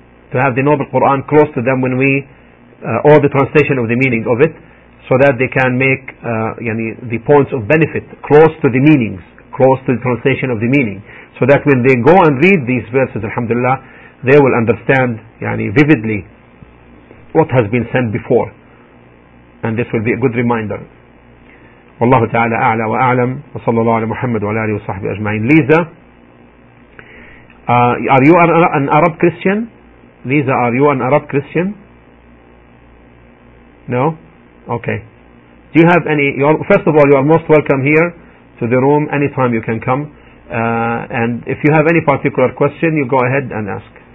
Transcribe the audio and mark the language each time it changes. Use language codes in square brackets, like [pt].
[en] To have the noble Quran close to them when we, or the translation of the meaning of it, so that they can make yani, the points of benefit close to the meanings, close to the translation of the meaning. So that when they go and read these verses, alhamdulillah, they will understand yani, vividly what has been sent before. And this will be a good reminder. [ar] والله تعالى أعلى وأعلم وصلى الله على محمد وعلى آله وصحبه أجمعين. [en] Lisa, are you an Arab Christian? Lisa, are you an Arab Christian? No? Okay. Do you have any? First of all, you are most welcome here to the room. Anytime you can come. And if you have any particular question, you go ahead and ask.